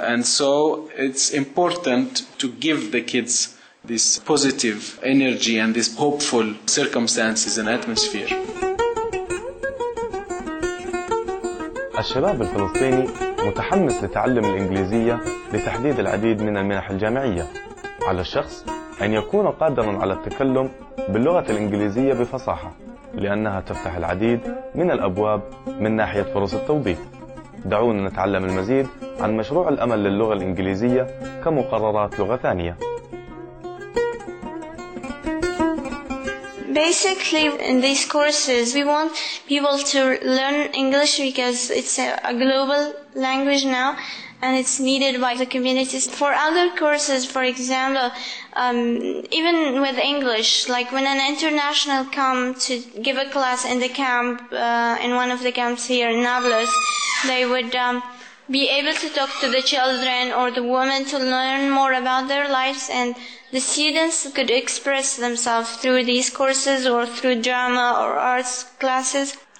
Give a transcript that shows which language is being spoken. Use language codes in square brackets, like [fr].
[en] And so it's important to give the kids this positive energy and this hopeful circumstances and atmosphere. [ar] الشباب الفلسطيني متحمس لتعلم الإنجليزية لتحديد العديد من المنح الجامعية. على الشخص أن يكون قادرا على التكلم باللغة الإنجليزية بفصاحة، لأنها تفتح العديد من الأبواب من ناحية فرص التوظيف. دعونا نتعلم المزيد عن مشروع الأمل للغة الإنجليزية كمقررات لغة ثانية. [en] Basically, in these courses, we want people to learn English because it's a global language now and it's needed by the communities. For other courses, for example, even with English, like when an international comes to give a class in the camp, in one of the camps here in Nablus, they would be able to talk to the children or the women to learn more about their lives, and the students could express themselves through these courses or through drama or arts classes.